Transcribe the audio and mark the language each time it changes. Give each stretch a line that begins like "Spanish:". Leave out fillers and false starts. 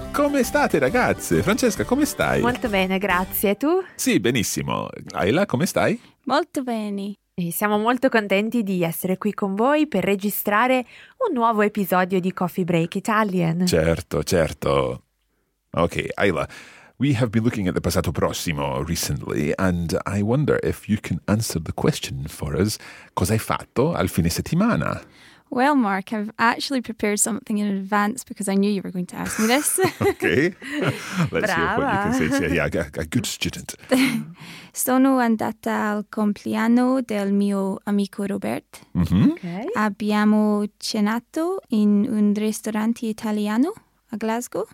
Italian: Come state ragazze? Francesca, come stai? Molto bene, grazie. E tu? Sì, benissimo. Ella, come stai? Molto bene. E siamo molto contenti di essere qui con voi per registrare un nuovo episodio di Coffee Break Italian. Certo, certo. Ok, Ella.
English: We have been looking at the passato prossimo recently, and I wonder if you can answer the question for us.
Italian: Cosa hai fatto al fine settimana?
English: Well, Mark, I've actually prepared something in advance because I knew you were going to ask me this. Okay. Let's Brava. Hear what you can say. Yeah, a good student.
Italian: Sono andata al compleanno del mio amico Robert. Mm-hmm.
English: Okay.
Italian: Abbiamo cenato in un ristorante italiano a Glasgow.